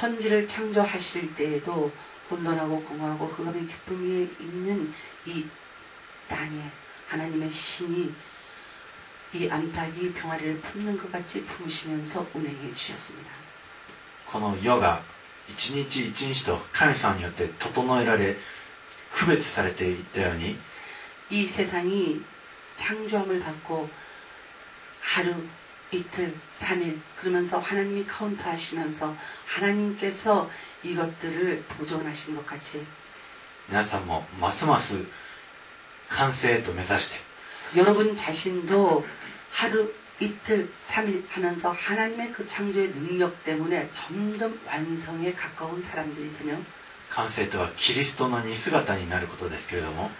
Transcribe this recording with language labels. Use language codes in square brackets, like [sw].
[ko] 천지를창조하실때에도혼돈하고공허하고흑암의기쁨이있는이땅에하나님의신이이암탉이병아리를품는것같이품으시면서운행해주셨습니다。 [ja] この世が一日一日と神様によって整えられ区別されていったように、 [ko] 이세상이창조함을받고하루 이틀3일그러면서하나님이카운트하시면서하나님께서이것들을보존하신것같이 [ja] 皆さんもますます完成と目指して [ko] 여러분자신도하루이틀3일하면서하나님의그창조의능력때문에점점완성에가까운사람들이되면 [ja] 完成とはキリストの似姿になることですけれども